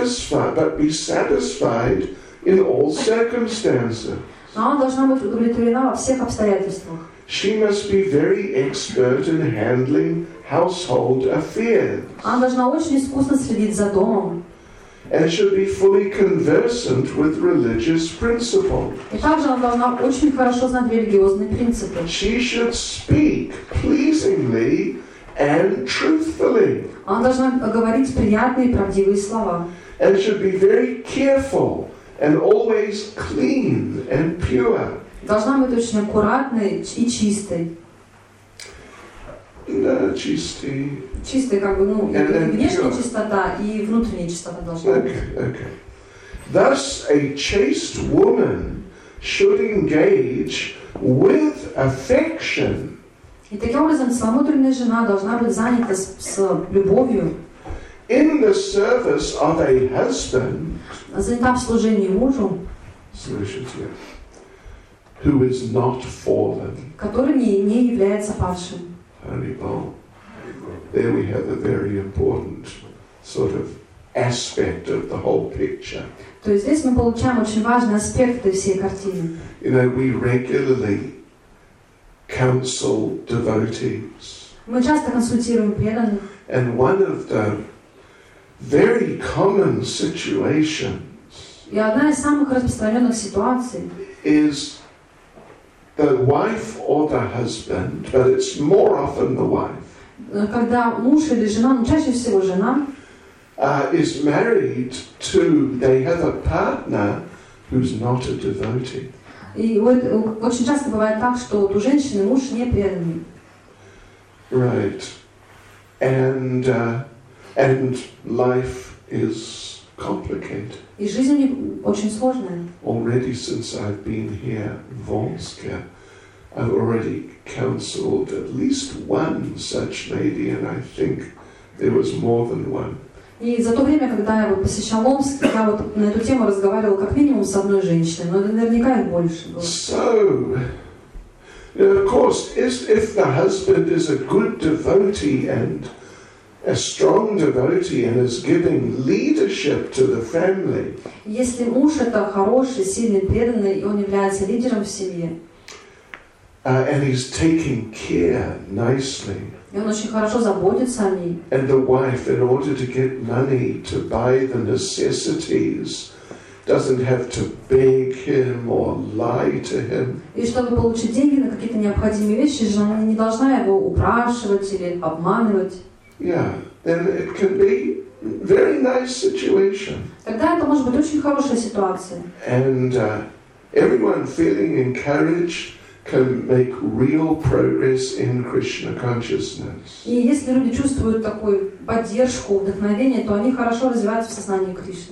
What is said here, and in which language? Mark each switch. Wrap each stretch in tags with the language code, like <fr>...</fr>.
<en>But be satisfied in all circumstances.</en> <ru>Но она должна быть удовлетворена во всех обстоятельствах.</ru> <en>She must be very expert in handling household affairs.</en> <ru>Она должна очень искусно следить за домом.</ru> <en>And should be fully conversant with religious principles.</en> <ru>И также она должна очень хорошо знать религиозные принципы.</ru> <en>She should speak pleasingly and truthfully.</en> <ru>Она должна говорить приятные и правдивые слова.</ru> <en>And should be very careful and always clean and pure.</en> <ru>Должна быть очень аккуратной и чистой. Да, чистой. Чистой, как бы, ну, внешняя чистота и внутренняя чистота должна быть.</ru> <en>Okay. Thus, a chaste woman should engage with affection</en> <ru>И таким образом целомудренная жена должна быть занята с любовью.</ru> <en>In the service of a husband.</en> <ru>Занята в служении мужу.</ru> <en>Who is not fallen.</en> <ru>Который не является павшим.</ru> <en>Holy Paul. There we have a very important sort of aspect of the whole picture.</en> <ru>То есть здесь мы получаем очень важный аспект этой всей картины.</ru> <en>You know, we regularly counsel devotees.</en> <ru>Мы часто консультируем преданных.</ru> <en>And one of the very common situations.</en> <ru>И одна из самых распространенных ситуаций.</ru> <en>Is the wife or the husband, but it's more often the wife.</en> <ru>Когда муж или жена, но чаще всего жена.</ru> <en>Is married to, they have a partner who's not a devotee.</en> <ru>И вот очень часто бывает так, что у женщины муж не преданный.</ru> <en>Right. And life is complicated.</en> <ru>И жизнь у них очень сложная.</ru> <en>Already since I've been here</en> <ru>в Волске,</ru> <en>I've already counseled at least one such lady, and I think there was more than one.</en> <ru>И за то время, когда я вот посещал Омск, я вот на эту тему разговаривал как минимум с одной женщиной, но наверняка их больше было.</ru> <en>So, of course, if the husband is a good devotee and a strong devotee and is giving leadership to the family.</en> <ru>Если муж это хороший, сильный, преданный, и он является лидером в семье.</ru> <en>And he's taking care nicely.</en> <ru>И он очень хорошо заботится о ней.</ru> <en>And the wife, in order to get money to buy the necessities, doesn't have to beg him or lie to him.</en> <ru>И чтобы получить деньги на какие-то необходимые вещи, жена не должна его упрашивать или обманывать.</ru> <en>Yeah, then it can be a very nice situation.</en> <ru>Тогда это может быть очень хорошая ситуация.</ru> <en>And everyone feeling encouraged. Can make real progress in Krishna consciousness.</en> <ru>И если люди чувствуют такую поддержку, вдохновение, то они хорошо развиваются в сознании Кришны.</ru>